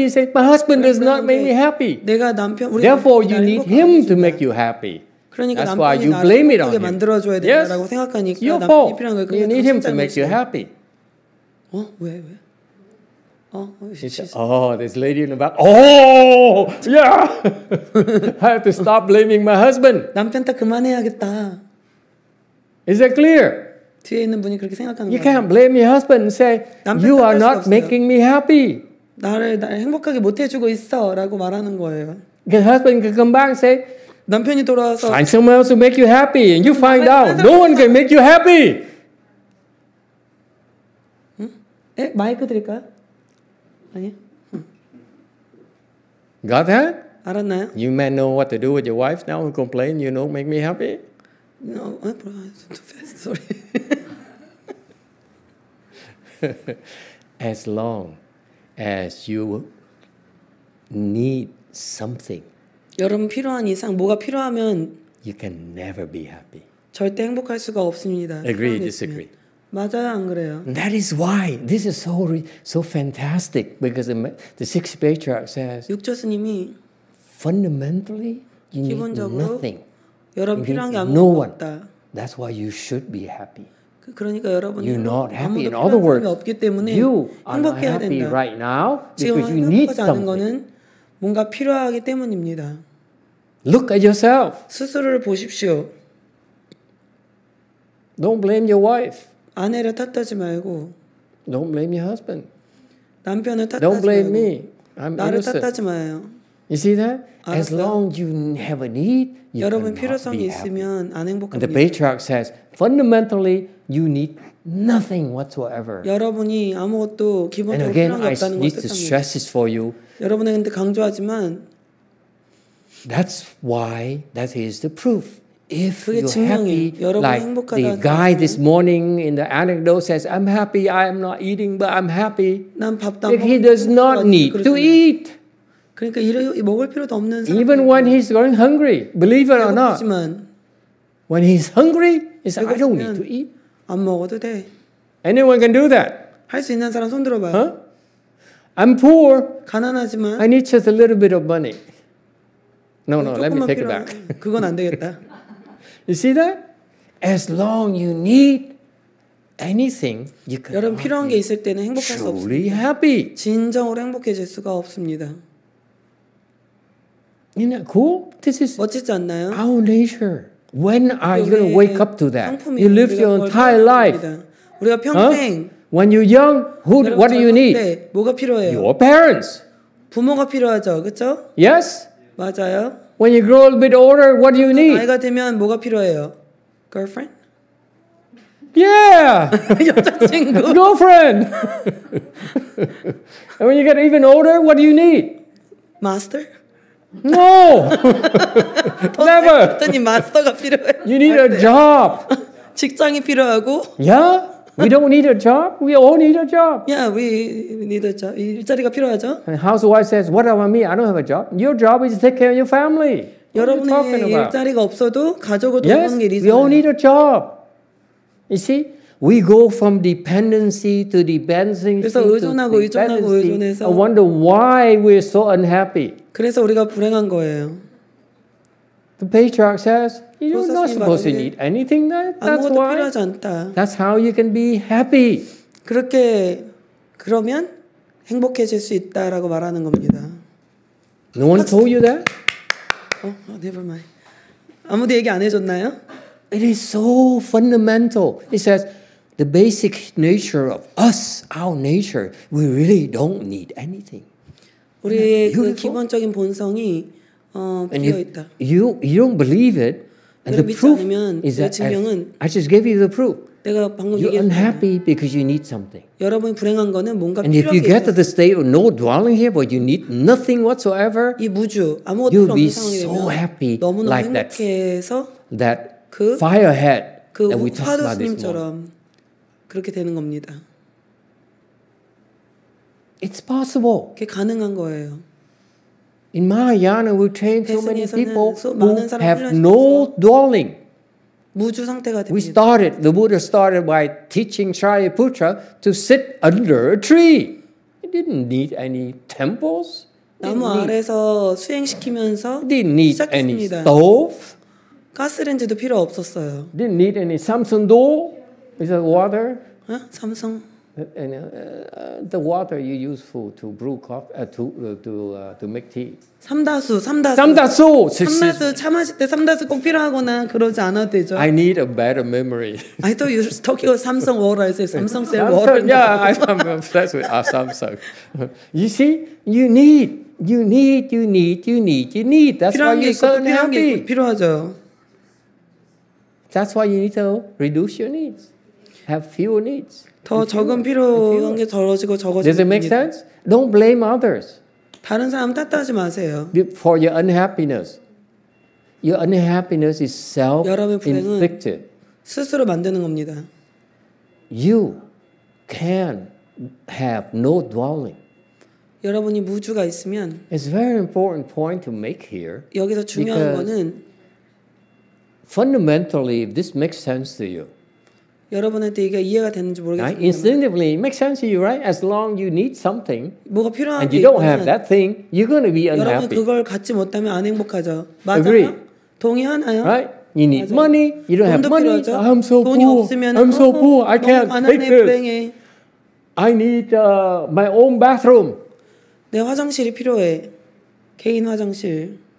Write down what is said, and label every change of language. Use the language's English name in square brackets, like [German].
[English] You say my husband does not make me happy. [Korean] 내가 남편 우리 [English] therefore you need him to make you happy. [Korean] 그러니까 [English] that's why you blame it on him. [Korean] 만들어줘야 된다고 생각하니까 [English] your [Korean] 남편이 필요한 걸 [English] you need him to make you happy. [Korean] 어? 왜? 왜? [English] 어, oh, this lady in the back. Oh, yeah. I have to stop blaming my husband. [Korean] 남편 다 그만해야겠다. [English] Is that clear? [Korean] 뒤에 있는 분이 그렇게 생각하는 [English] You can't blame your husband and say you are not making me happy. [Korean] 나를 행복하게 못 해주고 있어라고 말하는 거예요. [English] Your husband can come back and say. [Korean] 남편이 돌아와서. [English] Find someone else to make you happy, and you find out no one can make you happy. [Korean] 응? 에 마이크 드릴까? 아니요. [English] Got that? [Korean] 알았나요? [English] You men know what to do with your wife now who complain you don't make me happy? No, I'm too fast, sorry. As long as you need something, [Korean] 여러분 필요한 이상 뭐가 필요하면 [English] you can never be happy. [Korean] 절대 행복할 수가 없습니다. [English] Agree, disagree. [Korean] 맞아요, 안 그래요? [English] That is why this is so fantastic because the sixth patriarch says [Korean] 육조 스님이 [English] fundamentally you need nothing. [Korean] 여러분 필요한 게 아무것도 없다. [English] That's why you should be happy. [Korean] 그러니까 여러분 [English] you're not happy. In other words, you are not happy right now because you need something. [Korean] 뭔가 필요하기 때문입니다. [English] Look at yourself. [Korean] 스스로를 보십시오. [English] Don't blame your wife. [Korean] 아내를 탓하지 말고. [English] Don't blame your husband. [Korean] 남편을 탓하지 [English] Don't blame [Korean] 말고. [English] Me. I'm [Korean] 나를 [English] innocent. [Korean] 탓하지 마요. [English] You see that? [Korean] 알았어요? [English] As long you have a need, you [Korean] 여러분 [English] cannot [Korean] 필요성이 [English] be [Korean] 있으면 안 행복합니다. [English] And the patriarch says, fundamentally, you need nothing whatsoever. [Korean] 여러분이 아무것도 기본적으로 [English] And again, [Korean] 필요한 게 없다는 것을 [English] need to stress this for you. [Korean] 여러분에게 강조하지만 [English] That's why that is the proof. If you're [Korean] 증명이에요. [English] happy, like the guy [Korean] 증명. [English] this morning in the anecdote says, I'm happy, I'm not eating, but I'm happy. If he does not need to eat. [Korean] 그러니까 일을 먹을 필요도 없는 사람. [English] Even when he's going hungry, believe it or not. When he's hungry, he says, I don't need to eat. [Korean] 안 먹어도 돼. [English] Anyone can do that. [Korean] 할 수 있는 사람 손 들어봐요. [English] Huh? I'm poor. [Korean] 가난하지만. [English] I need just a little bit of money. No, let me take [Korean] 필요한, [English] it back. [Korean] 그건 안 되겠다. [English] You see that? As long you need anything, you can. [Korean] 여러분 필요한 게 있을 때는 행복할 수 없습니다. [English] Truly happy. [Korean] 진정으로 행복해질 수가 없습니다. [English] Isn't that cool? This is [Korean] 멋지지 않나요? [English] Our nature. When are you going to wake up to that? You live your entire life. [Korean] 우리가 평생. [English] Huh? When you're young, what do you need? [Korean] 뭐가 필요해요? [English] Your parents. [Korean] 부모가 필요하죠, 그렇죠? [English] Yes. [Korean] 맞아요. [English] When you grow a little bit older, what do you need? [Korean] 나이가 되면 뭐가 필요해요? [English] Girlfriend? Yeah. [Korean] 여자친구. [English] Girlfriend. And when you get even older, what do you need? Master? No. Never. [Korean] 어떤 마스터가 필요해? [English] You need a job. [Korean] 직장이 필요하고? [English] Yeah. We don't need a job. We all need a job. Yeah, we need a job. [Korean] 일자리가 필요하죠. [English] And housewife says, "What about me? I don't have a job. Your job is to take care of your family." [Korean] 여러분의 [English] you [Korean] 일자리가 없어도 가족을 돌보는 [English] yes, [Korean] 게 리즈. [English] We all need a job. You see, we go from dependency to dependency. [Korean] 그래서 의존하고 의존하고 의존해서. [English] I wonder why we're so unhappy. [Korean] 그래서 우리가 불행한 거예요. [English] The patriarch says, you're not supposed to need anything that's why. [Korean] 필요하지 않다. [English] That's how you can be happy. [Korean] 그렇게 그러면 행복해질 수 있다라고 말하는 겁니다. [English] No one told you that? Oh, never mind. [Korean] 아무도 얘기 안 해줬나요? [English] It is so fundamental. It says, the basic nature of us, our nature, we really don't need anything. [Korean] 우리의 그 기본적인 본성이 [English] And you don't believe it, and the proof [Korean] 않으면, [English] is that I just gave you the proof. You're unhappy because you need something. [Korean] 여러분 불행한 거는 뭔가 필요해요. [English] And if you get to the state of no dwelling here, but you need nothing whatsoever, [Korean] 이 무주 아무것도 [English] you'll [Korean] 없는 상황이면 [English] so happy, [Korean] 너무너무 [English] like [Korean] 행복해서 [English] that [Korean] 그 [English] firehead [Korean] 그 [English] that we talked about this morning. [Korean] 그렇게 되는 겁니다. [English] It's possible. [Korean] 그게 가능한 거예요. [English] In Mahayana, we train so many people who have no dwelling. [Korean] 무주 상태가 됩니다. [English] We started, the Buddha started by teaching Shariputra to sit under a tree. He didn't need any temples. [Korean] 나무 아래서 수행시키면서 [English] didn't need [Korean] 시작했습니다. [English] Any stove. [Korean] 가스레인지도 필요 없었어요. [English] Didn't need any Samsung do. Is that water? [Korean] 어? Samsung. [English] And the water you use for to brew coffee to make tea. [Korean] 삼다수. 삼다수 차 마실 때 삼다수 꼭 필요하거나 그러지 않아도 되죠. [English] I need a better memory. I thought you were talking about Samsung water. I said Samsung cell water. Yeah, I'm obsessed with Samsung. You see, you need. That's why you're so unhappy. [Korean] 필요하죠. [English] That's why you need to reduce your needs. Have fewer needs. [Korean] 더 적은 필요한 게 덜어지고 적어지는 [English] Does it make [Korean] 됩니다. [English] sense? Don't blame others. [Korean] 다른 사람 탓하지 마세요. [English] For your unhappiness. Your unhappiness is self-inflicted. [Korean] 스스로 만드는 겁니다. [English] You can have no dwelling. [Korean] 여러분이 무주가 있으면 [English] It's a very important point to make here. [Korean] 여기서 중요한 거는 [English] fundamentally if this makes sense to you. [Korean] 여러분한테 이게 이해가 되는지 모르겠습니다. [English] Instinctively it makes sense to you, right? As long you need something. [Korean] 뭐가 필요한 [English] And you don't have that thing, you're going to be unhappy. [Korean] 여러분 그걸 갖지 못하면 안 행복하죠. 맞아요? [English] Agree. [Korean] 동의하나요? [English] Right? You need [Korean] 맞아요. [English] money. You don't have money. [Korean] 필요하죠. [English] I'm so poor. [Korean] 돈이 없으면, [English] I'm so poor. I can't take this. [Korean] 불행해. [English] I need my own bathroom. [Korean] 내 화장실이 필요해. 개인 화장실.